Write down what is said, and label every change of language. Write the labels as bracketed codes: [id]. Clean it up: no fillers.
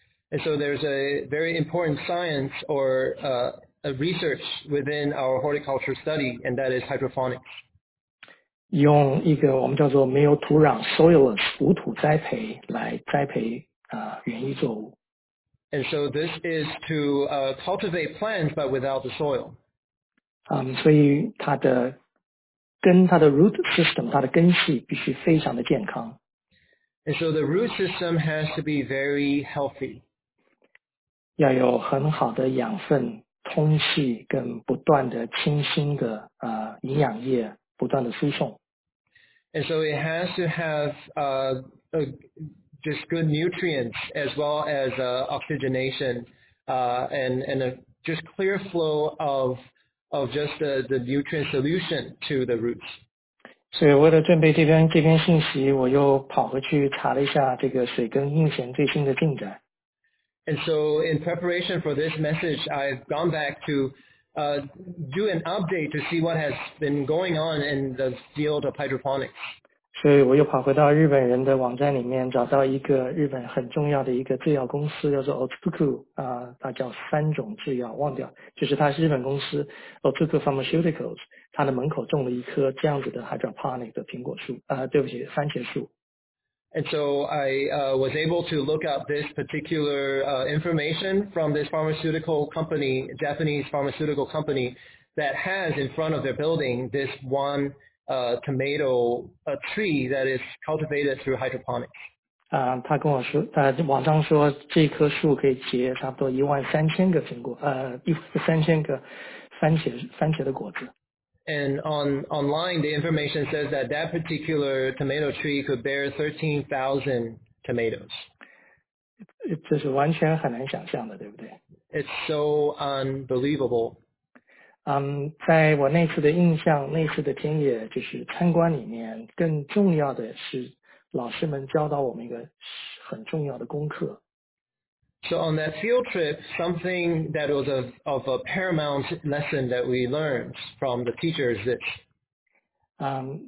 [en] And so there's a very important science or a research within our horticulture study, and that is hydroponics. [zh] 用一个我们叫做没有土壤 soilless 无土栽培来栽培园艺作物。 [en] And so this is to cultivate plants but without the soil. [zh] 所以它的根它的 [en] root system [zh] 它的根系必须非常的健康。 [en] And so the root system has to be very healthy. [zh] 要有很好的养分、通气跟不断的清新的营养液不断的输送。 [en] And so it has to have just good nutrients as well as oxygenation and a just clear flow of of just the nutrient solution to the roots. [zh] 所以为了准备这篇信息，我又跑回去查了一下这个水根目前最新的进展。 [en] And so in preparation for this message, I've gone back to do an update to see what has been going on in the field of hydroponics. [zh] 所以我又跑回到日本人的网站里面，找到一个日本很重要的一个制药公司，叫做 Otsuku 啊，它叫三种制药，忘掉，就是它是日本公司 Otsuku Pharmaceuticals， 它的门口种了一棵这样子的 hydroponic 的苹果树啊，对不起，番茄树。 [en] And so I was able to look up this particular information from this pharmaceutical company, Japanese pharmaceutical company, that has in front of their building this one tomato tree that is cultivated through hydroponics. [zh] 他跟我说，网上说这棵树可以结差不多13,000个苹果，13,000个番茄的果子。 [en] And online, the information says that that particular tomato tree could bear 13,000 tomatoes. [zh] 这是完全很难想象的，对不对？ [en] It's so unbelievable. [zh] 在我那次的印象，那次的田野就是参观里面，更重要的是老师们教导我们一个很重要的功课。 [en] So on that field trip, something that was of a paramount lesson that we learned from the teacher is this.